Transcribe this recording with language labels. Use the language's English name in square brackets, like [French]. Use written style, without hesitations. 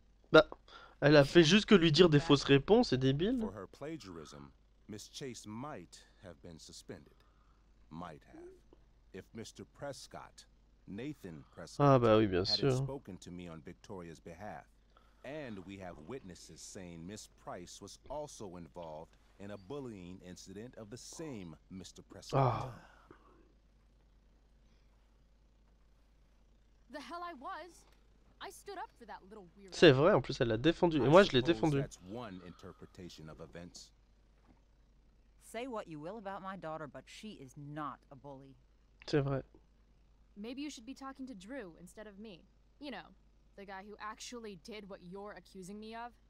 [French] Bah, elle a fait juste que lui dire des fausses réponses, c'est débile. [English] For her plagiarism, Miss Chase might have been suspended. Might have. If Mr. Prescott, Nathan Prescott, [French] ah bah oui, bien sûr, [English] had spoken to me on Victoria's behalf, and we have witnesses saying Miss Price was also involved in a bullying incident of the same Mr. Prescott. Ah. The hell I was. I stood up for that little weirdo. [French] C'est vrai, en plus elle l'a défendu et moi je l'ai défendu. [English] That's one interpretation of events. Say what you will about my daughter, but she is not a bully. [French] C'est vrai. [English] Maybe you should be talking to Drew instead of me. You know, the guy who actually did what you're accusing me of.